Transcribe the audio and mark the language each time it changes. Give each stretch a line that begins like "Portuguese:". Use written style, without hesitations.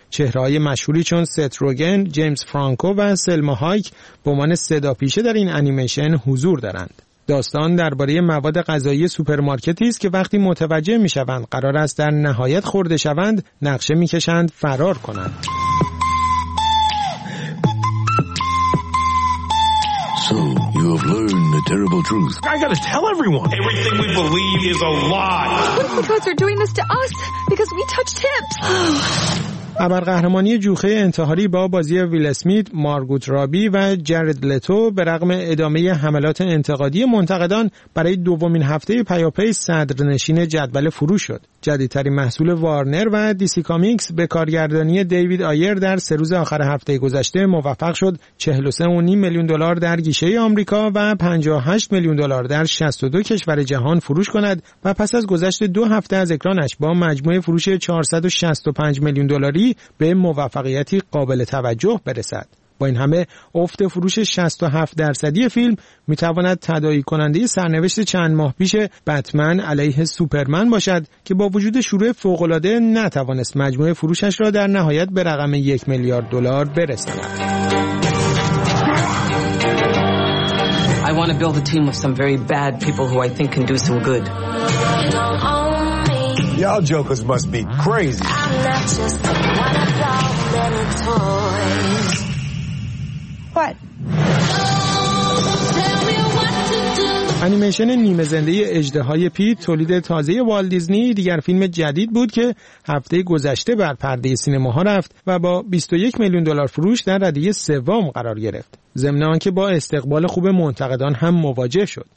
Persian: چهره‌های مشهوری چون ست روگن، جیمز فرانکو و سلما هایک به عنوان صداپیشه در این انیمیشن حضور دارند. داستان درباره مواد غذایی سوپرمارکتی است که وقتی متوجه می‌شوند قرار است در نهایت خورده شوند، نقشه می‌کشند فرار کنند.
English: So you have learned the terrible truth. I gotta tell everyone. Everything we believe is a lie. What if the gods are doing this to us because we touched tips?
Persian: ابرقهرمانی جوخه انتحاری با بازی ویل اسمیت، مارگوت رابی و جارد لتو به رغم ادامه حملات انتقادی منتقدان برای دومین هفته پیاپی صدرنشین جدول فروش شد. جدیدترین محصول وارنر و دیسی کامیکس به کارگردانی دیوید آیر در سه روز آخر هفته گذشته موفق شد 43.5 میلیون دلار در گیشه آمریکا و 58 میلیون دلار در 62 کشور جهان فروش کند و پس از گذشت دو هفته از اکرانش با مجموعه فروش 465 میلیون دلار به موفقیتی قابل توجه برسد. با این همه افت فروش 67% فیلم میتواند تداعی کننده سرنوشت چند ماه پیش بتمن علیه سوپرمن باشد که با وجود شروع فوق‌العاده نتوانست مجموعه فروشش را در نهایت به رقم 1 میلیارد دلار برساند.
English: I want to build a team of some very bad people who I think can do some good. Y'all jokers must be crazy. I'm not just one of those little toys. What?
Persian: انیمیشن نیمه زنده اژدهای پیت تولید تازه والت دیزنی دیگر فیلم جدید بود که هفته گذشته بر پرده سینماها رفت و با 21 میلیون دلار فروش در ردیه سوم قرار گرفت. ضمن آنکه با استقبال خوب منتقدان هم مواجه شد.